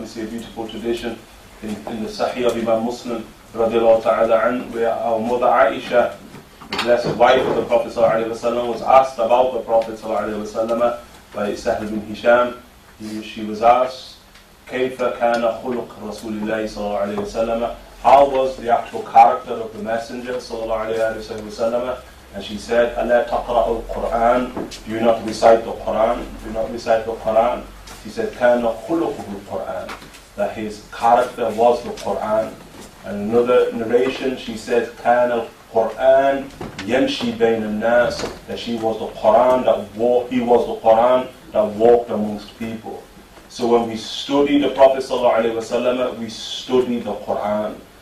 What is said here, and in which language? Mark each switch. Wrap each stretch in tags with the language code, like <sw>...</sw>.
<en>We see a beautiful tradition in the Sahih of Imam Muslim radiallahu ta'ala an, where our mother Aisha, the blessed wife of the Prophet sallallahu alayhi wa sallam, was asked about the Prophet sallallahu alayhi wa sallam by Sahl bin Hisham. She was asked,</en> <ar>كَيْفَ كَانَ خُلُقْ رَسُولِ اللَّهِ sallallahu alayhi wa sallam?</ar> <en>How was the actual character of the Messenger sallallahu alayhi wa sallam? And she said,</en> <ar>أَلَا تَقْرَأُ الْقُرْآنَ?</ar> <en>Do you not recite the Qur'an? Do you not recite the Qur'an? She said,</en> <ar>كَانَ خُلُقُهُ الْقُرْآنَ?</ar> <en>That his character was the Qur'an. And another narration, she said,</en> <ar>كَانَ الْقُرْآنَ يَمْشِي بَيْنَ النَّاسِ?</ar> <en>That she was the Qur'an that walked, he was the Qur'an that walked amongst people. So when we study the Prophet sallallahu alayhi wa sallam, we study the Qur'an.</en>